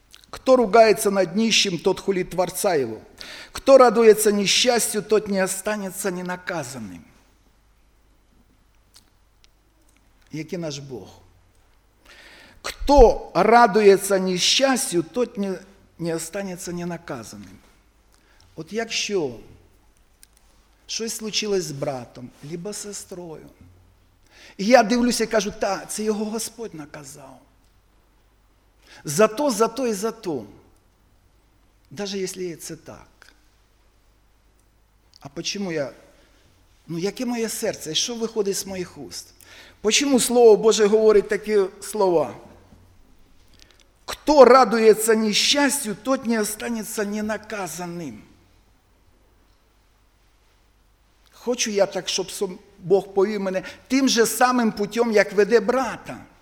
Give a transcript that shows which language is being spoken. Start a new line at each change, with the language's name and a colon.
Russian: «Кто ругается над нищим, тот хулит Творца его. Кто радуется несчастью, тот не останется ненаказанным».
Ukrainian: Який наш Бог?
Russian: «Кто радуется несчастью, тот не останется ненаказанным».
Ukrainian: Вот якщо щось
Russian: случилось с братом, либо с сестрою, и
Ukrainian: я дивлюсь и кажу, та, це його Господь наказал.
Russian: За то и за то. Даже если это так. А почему я?
Ukrainian: Ну, яке моє серце? Що виходить з моїх уст?
Russian: Почему Слово Боже говорить
Ukrainian: такі слова?
Russian: Кто радується нещастю, тот не останется ненаказанным.
Ukrainian: Хочу я так, щоб Бог повів мене тим же самим
Russian: путем,
Ukrainian: як веде брата.